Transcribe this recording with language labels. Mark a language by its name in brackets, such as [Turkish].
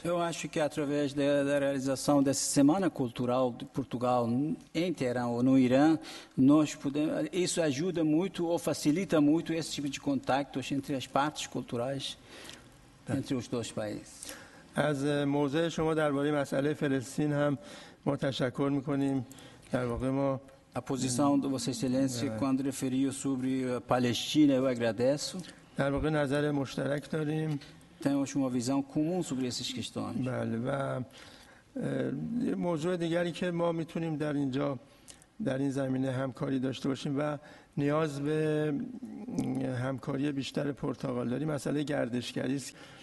[Portuguese] Eu acho que através da realização dessa semana cultural de Portugal em Teherã ou no Irã, nós podemos, isso ajuda muito ou facilita muito esse tipo de contactos entre as partes culturais entre os dois países. [Persian] از موضع شما درباره مسئله فلسطین هم ما تشکر می‌کنیم. در واقع ما [Portuguese] a posição de vossa excelência quando referiu sobre a Palestina, eu agradeço. [Persian] در واقع نظر مشترک داریم. [Portuguese] Temos uma visão comum sobre essas questões. [Persian] بله و موضوع دیگری که ما میتونیم در اینجا در این زمینه همکاری داشته باشیم و نیاز به همکاری بیشتر پرتغال داریم، مسئله گردشگری است.